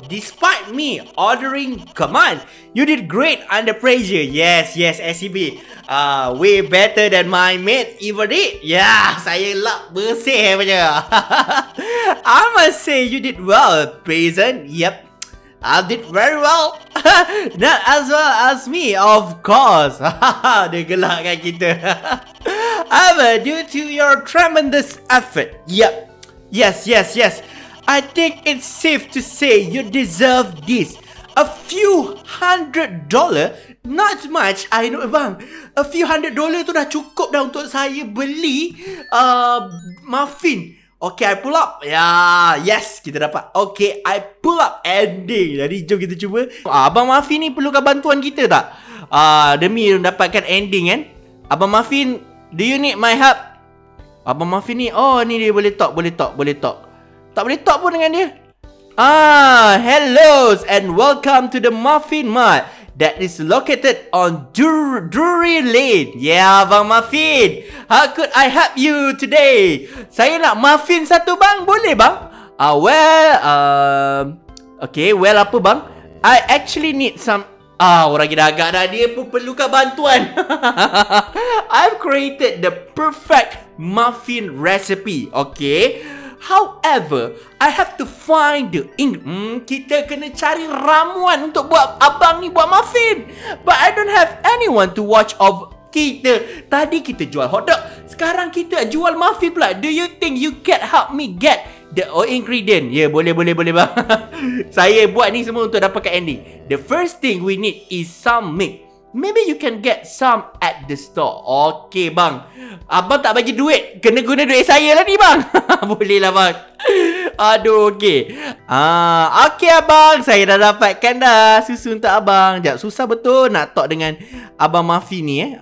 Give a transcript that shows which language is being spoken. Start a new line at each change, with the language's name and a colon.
English: Despite me ordering command, you did great under pressure. Yes, yes, SCB. Way better than my mate even did.
Malay: Yeah, saya lap bersih punya.
English: I must say you did well, Prison. Yep, I did very well. Not as well as me, of course.
Malay: Dia gelakkan kita.
English: However, due to your tremendous effort. Yep. Yes, yes, yes. I think it's safe to say you deserve this. A few hundred dollar, not much, I know, bang. A few hundred dollar
Malay: tu dah cukup dah untuk saya beli muffin.
English: Okay, I pull up. Yeah, yes,
Malay: kita dapat.
English: Okay, I pull up ending.
Malay: Jadi, jom kita cuba. Abang Muffin ni perlukan bantuan kita tak? Demi dapatkan ending kan?
English: Abang Muffin, do you need my help?
Malay: Abang Muffin ni, oh ni dia boleh talk, boleh talk, boleh talk. Tak boleh talk pun dengan dia.
English: Ah, hello and welcome to the Muffin Mart that is located on Drury Lane. Yeah, Abang Muffin. How could I help you today?
Malay: Saya nak muffin satu bang, boleh bang? Well, apa bang?
English: I actually need some...
Malay: orang lagi dah agak dah. Dia pun perlukan bantuan.
English: I've created the perfect muffin recipe. Okay. However, I have to find the
Malay: kita kena cari ramuan untuk buat abang ni buat muffin.
English: But I don't have anyone to watch of kita.
Malay: Tadi kita jual hotdog. Sekarang kita jual muffin pula.
English: Do you think you can help me get the ingredient?
Malay: Ya, yeah, boleh, boleh, boleh bang. Saya buat ni semua untuk dapatkan ending.
English: The first thing we need is some milk. Maybe you can get some at the store.
Malay: Okay, bang. Abang tak bagi duit. Kena guna duit saya lah ni, bang. Boleh lah, bang. Aduh, okay. Okay, abang. Saya dah dapatkan dah susu untuk abang. Sekejap, susah betul nak talk dengan Abang Mafi ni, eh.